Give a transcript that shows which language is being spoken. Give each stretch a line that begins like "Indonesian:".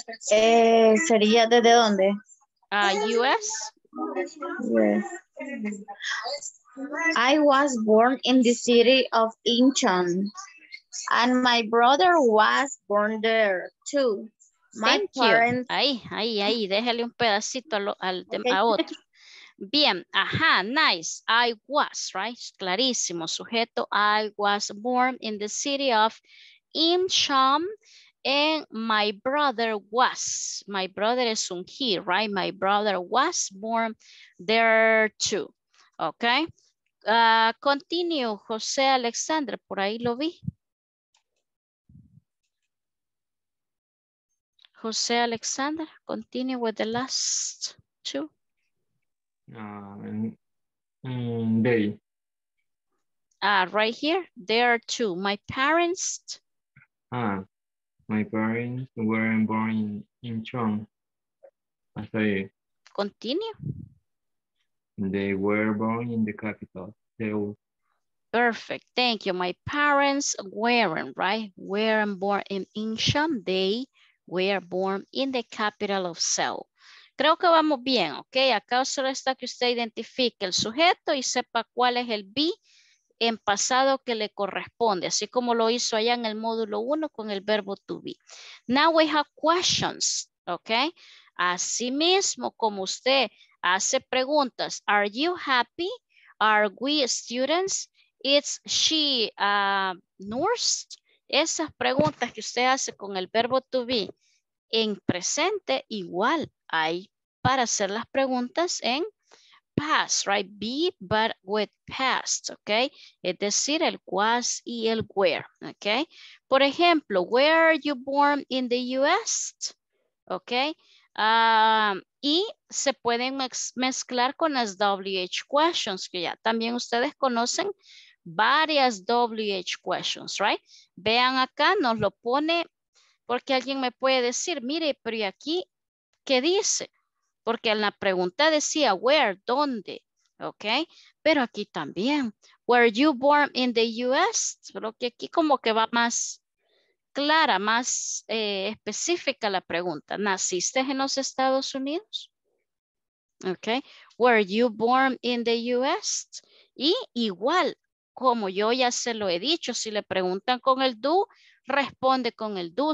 Spanish: ¿Sería desde dónde?
English: U.S.? Yes. I was born in the city of Incheon, and my brother was born there too. My parents.
Spanish: Ay, ay, ay, déjale un pedacito a otro. Bien, ajá,
English: nice. I was, right?
Spanish: Clarísimo, sujeto.
English: I was born in the city of Incheon, and my brother was. My brother
Spanish: es un
English: he, right? My brother was born there too. Okay.
Spanish: Continue, José Alexander, por ahí lo vi.
English: José Alexander, continue with the last two. They. Right here, there are two. My parents. My parents weren't born in Incheon. I say. Continue. They were born in the capital. Perfect, thank you. My parents weren't, right? Weren't born in Incheon. They were born in the capital of Seoul.
Spanish: Creo que vamos bien, ok. Acá solo está que usted identifique el sujeto y sepa cuál es el be en pasado que le corresponde, así como lo hizo allá en el módulo 1 con el verbo to be.
English: Now we have questions, ok.
Spanish: Asimismo, como usted hace preguntas,
English: are you happy? Are we students? Is she nursed?
Spanish: Esas preguntas que usted hace con el verbo to be en presente, igual hay para hacer las preguntas en past, right?
English: Be, but with past,
Spanish: ¿ok? Es decir, el was y el where, ¿ok? Por ejemplo,
English: where are you born in the U.S.? ¿Ok?
Spanish: Y se pueden mezclar con las WH questions, que ya también ustedes conocen varias WH questions, right? Vean acá, nos lo pone, porque alguien me puede decir, mire, pero ¿y aquí qué dice? Porque en la pregunta decía, where, ¿dónde? ¿Ok? Pero aquí también,
English: were you born in the US?
Spanish: Pero que aquí como que va más clara, más específica la pregunta. ¿Naciste en los Estados Unidos? ¿Ok?
English: Were you born in the US?
Spanish: Y igual, como yo ya se lo he dicho, si le preguntan con el do, responde con el do.